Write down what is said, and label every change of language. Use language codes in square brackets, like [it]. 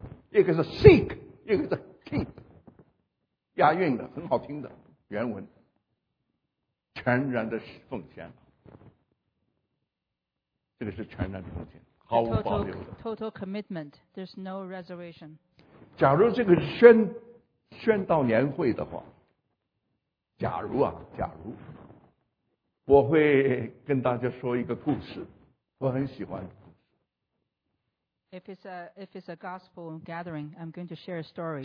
[zh] 一个是 seek, 一个是 keep. 押韵的很好听的原文，全然的奉献，这个是全然的奉献，毫无保留的 [en] total commitment, there's no reservation. [zh] 假如这个是 宣道年会的话，假如啊，假如我会跟大家说一个故事，我很喜欢。 [en] If it's a gospel gathering, I'm going to share a story.